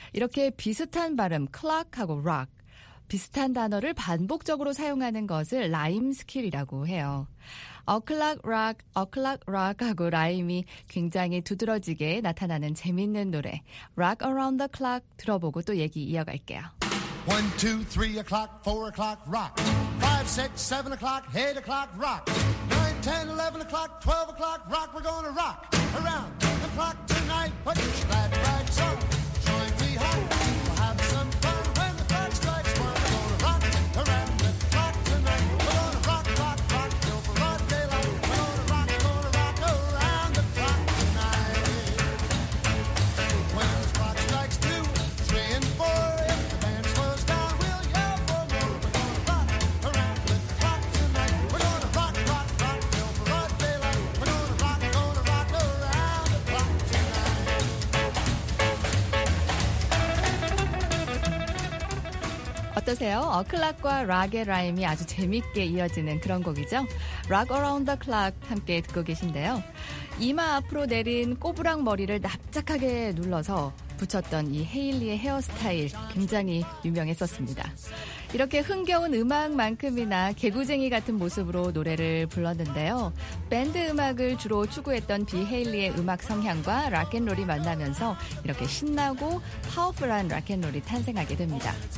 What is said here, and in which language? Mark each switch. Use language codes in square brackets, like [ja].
[ko] 이렇게 비슷한 발음 clock하고 rock 비슷한 단어를 반복적으로 사용하는 것을 라임 스킬이라고 해요. o'clock rock, o'clock rock 하고 라임이 굉장히 두드러지게 나타나는 재밌는 노래 Rock Around the Clock 들어보고 또 얘기 이어갈게요. [en] 1, 2, 3 o'clock, 4 o'clock rock 5, 6, 7 o'clock, 8 o'clock rock 9, 10, 11 o'clock, 12 o'clock rock We're gonna rock around the clock tonight Put your glad flags on Join me home, we'll have some fun When the clock strikes one We're gonna rock around the clock tonight We're gonna rock, rock, rock Till broad daylight We're gonna rock around the clock tonight When the clock strikes two, three and four If the band slows down, we'll yell for more We're gonna rock around the clock tonight We're gonna rock, rock, rock Till broad daylight We're gonna rock around the clock tonight [ko] 어떠세요? 어클락과 락의 라임이 아주 재밌게 이어지는 그런 곡이죠? Rock Around the Clock 함께 듣고 계신데요. 이마 앞으로 내린 꼬부랑 머리를 납작하게 눌러서 붙였던 이 헤일리의 헤어스타일 굉장히 유명했었습니다. 이렇게 흥겨운 음악만큼이나 개구쟁이 같은 모습으로 노래를 불렀는데요. 밴드 음악을 주로 추구했던 비 헤일리의 음악 성향과 락앤롤이 만나면서 이렇게 신나고 파워풀한 락앤롤이 탄생하게 됩니다.